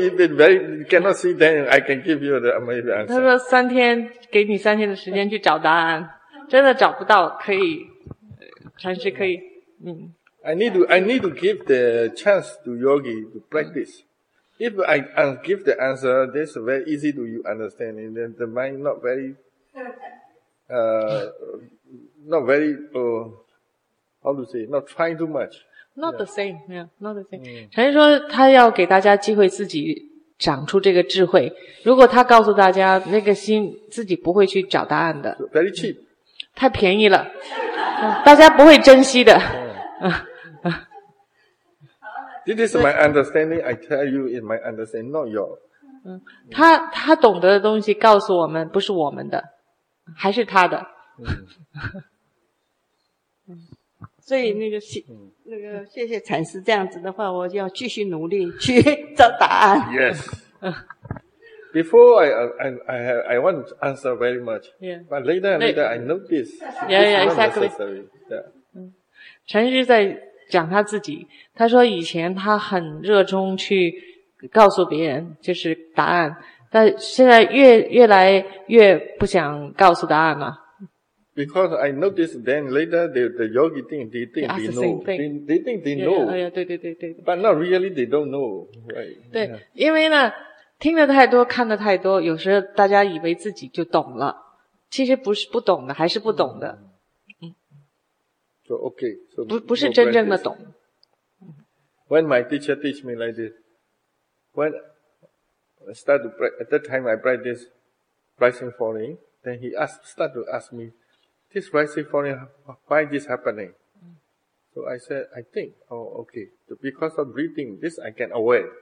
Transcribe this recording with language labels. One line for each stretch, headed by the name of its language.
English: After trying, you cannot see, then I can give you the answer.
Chinese: 他说三天，给你三天的时间去找答案，真的找不到可以禅师可以
English: I need to give the chance to yogi to practice. If I give the answer, that's very easy to you understand, and then the mind not trying too much. Not the same, yeah, not the same.
Chinese: 禅师说他要给大家机会自己长出这个智慧。如果他告诉大家那个心自己不会去找答案的。
English: Very cheap.
Chinese: 太便宜了。大家不会珍惜的。
English: This is my understanding, I tell you is my understanding, not yours.
Chinese: 他懂得的东西告诉我们不是我们的，还是他的。所以那个谢谢禅师，这样子的话我就要继续努力去找答案。
English: Yes. Before I want to answer very much. Yeah. But later I notice. Yeah, yeah, exactly. Yeah.
Chinese: 禅师在讲他自己，他说以前他很热衷去告诉别人就是答案，但现在越来越不想告诉答案了。
English: Because I notice then later the yogi think they know. Yeah,
Chinese: 对。
English: But not really they don't know, right?
Chinese: 对，因为呢听得太多看得太多，有时候大家以为自己就懂了，其实不是不懂的，还是不懂的。
English: So, okay, so
Chinese: 不是真正的懂。
English: When my teacher teach me like this, when I start to practice, at that time I practice rising falling, then he start to ask me, this rising falling, why this happening? So I said, I think, oh, okay, so because of breathing, this I can aware.